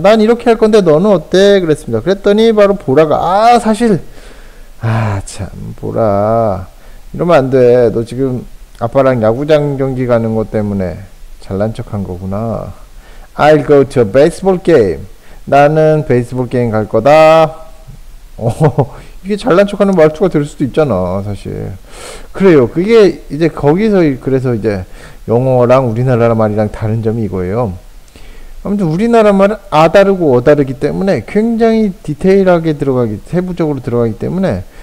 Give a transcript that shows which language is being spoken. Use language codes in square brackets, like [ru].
[ko] 난 이렇게 할 건데 너는 어때? 그랬습니다. 그랬더니 바로 보라가 아, 사실 아, 참 보라 이러면 안 돼. 너 지금 아빠랑 야구장 경기 가는 것 때문에 잘난 척한 거구나. [en] I'll go to a baseball game. [ko] 나는 베이스볼 게임 갈 거다. 이게 잘난 척하는 말투가 될 수도 있잖아, 사실. 그래요. 그게 이제 거기서 그래서 이제 영어랑 우리나라 말이랑 다른 점이 이거예요. 아무튼 우리나라 말은 아다르고 어다르기 때문에 굉장히 디테일하게 들어가기, 세부적으로 들어가기 때문에